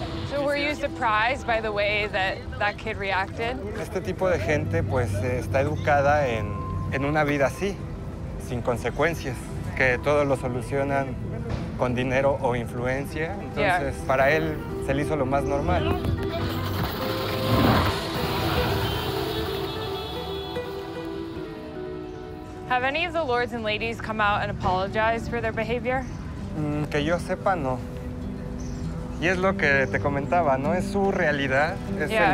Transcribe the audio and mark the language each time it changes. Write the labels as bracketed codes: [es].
[en] So were you surprised by the way that kid reacted? [es] Este tipo de gente pues está educada en una vida así, sin consecuencias, que todo lo solucionan con dinero o influencia. Entonces para él se le hizo lo más normal. [en] Have any of the lords and ladies come out and apologize for their behavior? [es] Que yo sepa, no. Y es lo que te comentaba, no es su realidad, es yeah.